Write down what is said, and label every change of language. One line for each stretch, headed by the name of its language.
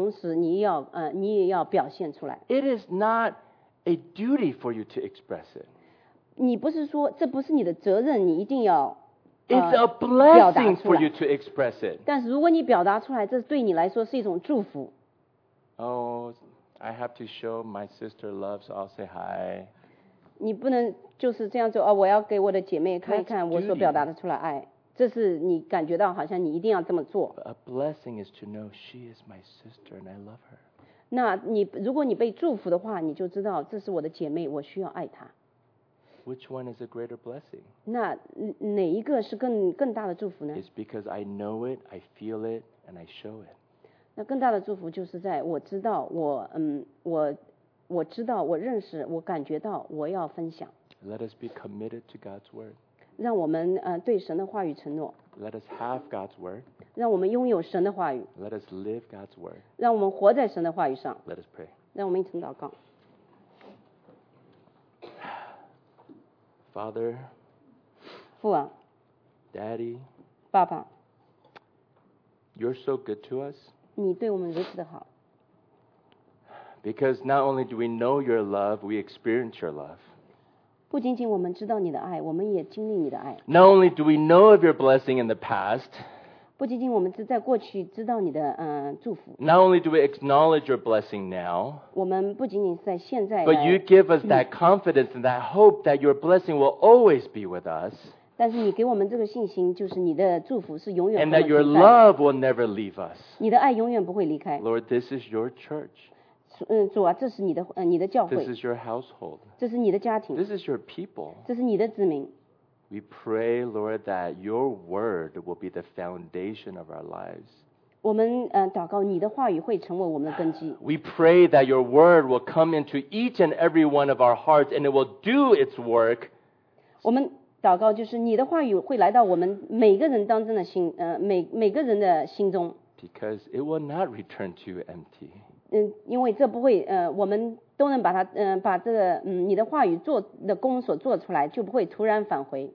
Chinese: 在你的心思里你知道，在你的心里你要感觉到，同时你也要表现出来。
English: It is not a duty for you to express it.
Chinese: 你不是说这不是你的责任，你一定要。It's
English: a blessing for you to express it.
Chinese: 但是如果你表达出来，这对你来说是一种祝福。Oh,
English: I have to show my sister love, so I'll say hi.
Chinese: 你不能就是这样做, 我要给我的姐妹看一看我所表达的出来爱。这是你感觉到好像你一定要这么做。
English: A blessing is to know she is my sister and I love her.
Chinese: 那你如果你被祝福的话，你就知道这是我的姐妹，我需要爱她。
English: Which one is a greater blessing?
Chinese: 那哪一个是更大的祝福呢
English: ？It's because I know it, I feel it, and I show it.
Chinese: 那更大的祝福就是在我知道我我知道我认识我感觉到我要分享。
English: Let us be committed to God's word.
Chinese: 让我们对神的话语承诺。
English: Let us have God's word.
Chinese: 让我们拥有神的话语。
English: Let us live God's word.
Chinese: 让我们活在神的话语上。
English: Let us pray.
Chinese: 让我们一同祷告。
English: Father,
Chinese: 父啊
English: Daddy,
Chinese: 爸爸
English: You're so good to us.
Chinese: 你对我们如此的好。
English: Because not only do we know your love, we experience your love.
Chinese: 不仅仅我们知道你的爱，我们也经历你的爱。
English: Not only do we know of your blessing in the past.
Chinese: 不仅仅我们在过去知道你的祝福。
English: Not only do we acknowledge your blessing now.
Chinese: 我们不仅仅在现在。
English: But you give us that confidence and that hope that your blessing will always be with us.
Chinese: 但是你给我们这个信心，就是你的祝福是永远不会离开。
English: And that your love will never leave us.
Chinese: 你的爱永远不会离开。
English: Lord, this is your church.
Chinese: 主啊，这是你的你的教会。
English: This is your household.
Chinese: 这是你的家庭。
English: This is your people.
Chinese: 这是你的子民。
English: We pray, Lord, that your word will be the foundation of our lives.
Chinese: 我们祷告你的话语会成为我们的根基。
English: We pray that your word will come into each and every one of our hearts and it will do its work.
Chinese: 我们祷告就是你的话语会来到我们每个人当中的心每个人的心中。
English: Because it will not return to you empty.
Chinese: 因为这不会我们都能把它把这个你的话语做的工所做出来，就不会突然返回。